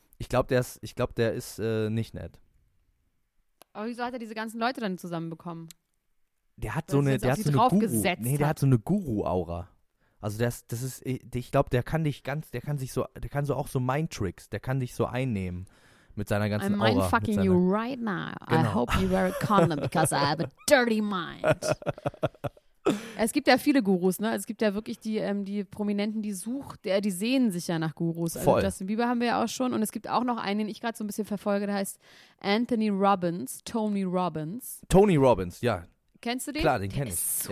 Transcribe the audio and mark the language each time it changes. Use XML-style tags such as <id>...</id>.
<de>Ich glaube, der ist nicht nett. Aber wieso hat er diese ganzen Leute dann zusammenbekommen? Der hat so eine Guru-Aura. Also ich glaube, der kann auch so Mind-Tricks, der kann sich so einnehmen. Mit seiner ganzen</de> <en>I'm</en> <de>Aura.</de> <en>I'm mindfucking you right now.</en> <de>Genau.</de> <en>I hope you wear a condom because I have a dirty mind.</en> <de>Es gibt ja viele Gurus, ne? Es gibt ja wirklich die Prominenten, die sehen sich ja nach Gurus. Voll. Also Justin Bieber haben wir ja auch schon. Und es gibt auch noch einen, den ich gerade so ein bisschen verfolge, der heißt Anthony Robbins, Tony Robbins. Tony Robbins, ja. Kennst du den? Klar, den kenne ich. Der ist so</de>